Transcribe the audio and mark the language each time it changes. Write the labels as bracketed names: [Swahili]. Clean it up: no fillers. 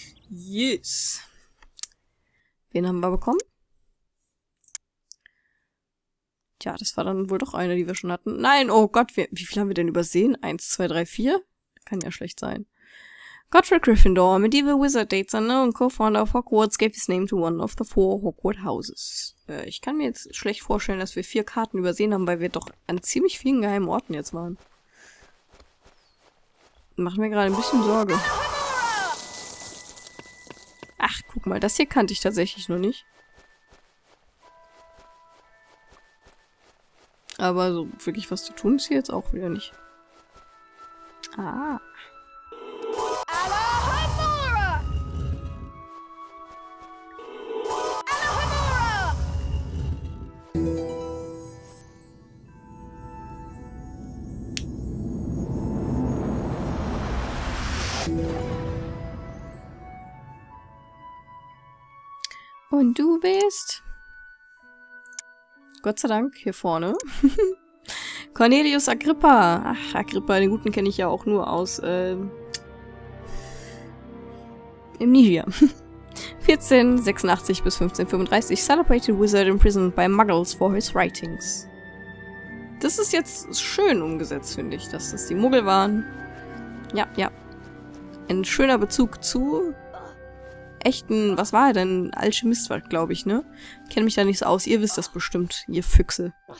[German] Yes. Wen haben wir bekommen? Tja, das war dann wohl doch eine, die wir schon hatten. Nein, oh Gott, wie viel haben wir denn übersehen? 1, 2, 3, 4? Kann ja schlecht sein. [English] Godric Gryffindor, medieval wizard, dates unknown, and co-founder of Hogwarts, gave his name to one of the four Hogwarts houses. [German] Ich kann mir jetzt schlecht vorstellen, dass wir vier Karten übersehen haben, weil wir doch an ziemlich vielen geheimen Orten jetzt waren. Macht mir gerade ein bisschen Sorge. Ach, guck mal, das hier kannte ich tatsächlich noch nicht. Aber so wirklich was zu tun ist hier jetzt auch wieder nicht. Ah. Und du bist? Gott sei Dank, hier vorne. Cornelius Agrippa. Ach, Agrippa, den guten kenne ich ja auch nur aus im Niger. [English] 1486 bis 1535, celebrated wizard imprisoned by Muggles for his writings. [German] Das ist jetzt schön umgesetzt, finde ich, dass das die Muggel waren. Ja, ja. Ein schöner Bezug zu echten, was war er denn? Alchemist war, glaube ich, ne? Kenne mich da nicht so aus. Ihr wisst das bestimmt, ihr Füchse.